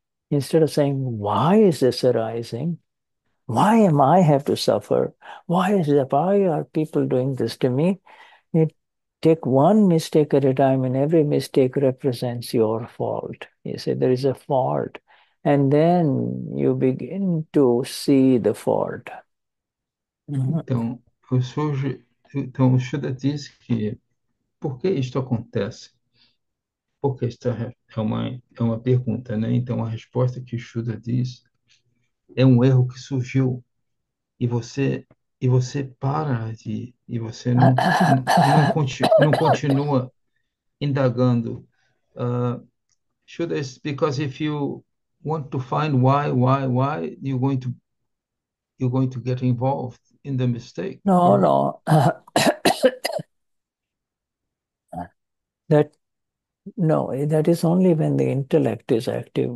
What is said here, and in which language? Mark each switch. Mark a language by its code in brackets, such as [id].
[en] Instead of saying, why is this arising? Why am I have to suffer? Why are people doing this to me? It take one mistake at a time, and every mistake represents your fault. You say there is a fault, and then you begin to see the fault. [pt] Então, o Surge, então, o Shuda diz que por que isto acontece? Porque isto é uma pergunta, né? Então, a resposta que o Shuda diz é um erro que surgiu e você para de e você não continua indagando. [en] Shuda is because if you want to find why, you're going to get involved in the mistake, No, or no. That is only when the intellect is active.